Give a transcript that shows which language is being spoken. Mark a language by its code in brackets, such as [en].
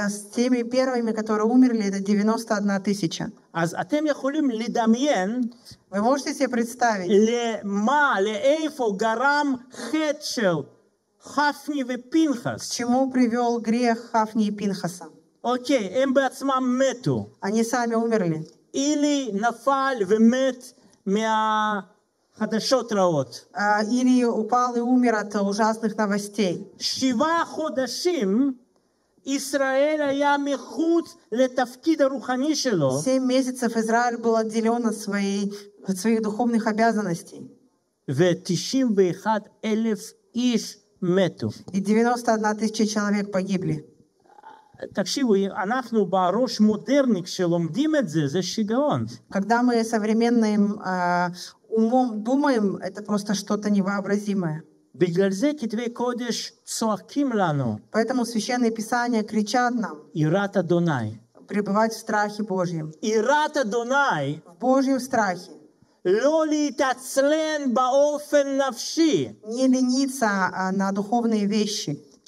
[ru] С теми первыми, которые умерли, это 91 000. [he] Аз атем яхулим лидамьен. [ru] Вы можете себе представить? [he] Ле ма, ле эйфо гарам хетшел Хафни ве Пинхас. [ru] К чему привел грех Хафни и Пинхаса? [he] Окей, הם בעצמם מתו. [ru] Они сами умерли. [he] Или נפל ומת מהחדשות רעות. [ru] Или упал и умер от ужасных новостей. [he] שבעה חודשים ישראל היה מחוץ לתפקיד הרוחני שלו. [ru] 7 месяцев Израиль был отделен от своих духовных обязанностей. [he] ו-91,000 איש מתו. [ru] И 91 000 человек погибли. [he] תקשיבו, אנחנו בראש מודרני כשלומדים את זה, זה שיגעון. [ru] Когда мы современным умом думаем, это просто что-то невообразимое. [he] בגלל זה כתבי קודש צועקים לנו. [ru] Поэтому священные писания кричат нам. [he] יראת אדוני. [ru] Пребывать в страхе Божьем. [he] יראת אדוני. [ru] В Божьем страхе. [he] לא להתעצלן באופן נפשי. [ru] Не лениться на духовные вещи.